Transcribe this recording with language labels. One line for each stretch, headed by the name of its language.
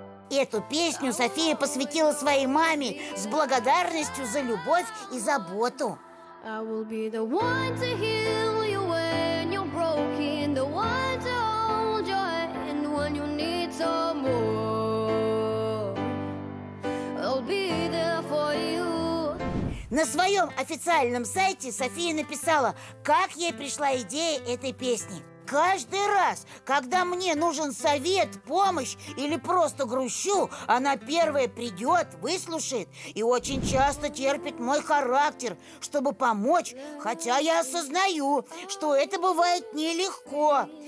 Russian: Эту песню София посвятила своей маме с благодарностью за любовь и заботу.
English: I will be the one to heal you when you're broken, the one to hold your hand when you need some more. I'll be there for you.
Russian: На своем официальном сайте София написала, как ей пришла идея этой песни. Каждый раз, когда мне нужен совет, помощь или просто грущу, она первая придет, выслушает и очень часто терпит мой характер, чтобы помочь, хотя я осознаю, что это бывает нелегко.